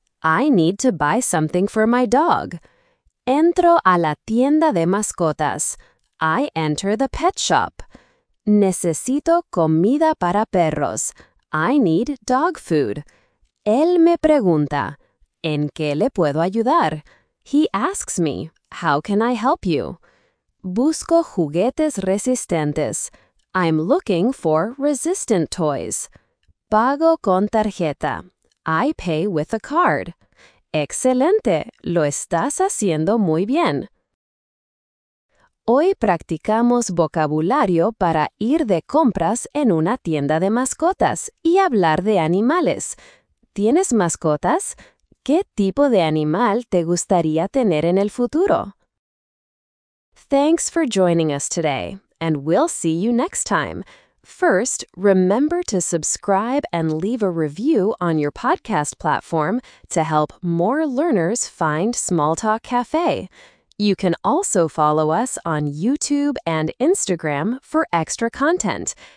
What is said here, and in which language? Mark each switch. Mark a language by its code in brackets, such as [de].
[en] I need to buy something for my dog. [es] Entro a la tienda de mascotas. [en] I enter the pet shop. [es] Necesito comida para perros. [en] I need dog food. [es] Él me pregunta, ¿en qué le puedo ayudar? [en] He asks me, how can I help you? [es] Busco juguetes resistentes. [en] I'm looking for resistant toys. [es] Pago con tarjeta. [en] I pay with a card. [es] ¡Excelente! Lo estás haciendo muy bien. Hoy practicamos vocabulario para ir de compras en una tienda de mascotas y hablar de animales. ¿Tienes mascotas? ¿Qué tipo de animal te gustaría tener en el futuro? [en] Thanks for joining us today, and we'll see you next time. First, remember to subscribe and leave a review on your podcast platform to help more learners find Smalltalk Cafe. You can also follow us on YouTube and Instagram for extra content.